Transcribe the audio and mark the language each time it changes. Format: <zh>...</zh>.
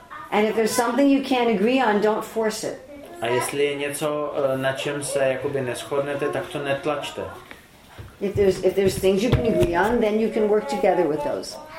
<en>And if there's something you can't agree on, don't force it.</en> <cs>A jestli je něco, na čem se jakoby neshodnete, tak to netlačte.</cs> <en>If there's things you can agree on, then you can work together with those.</en>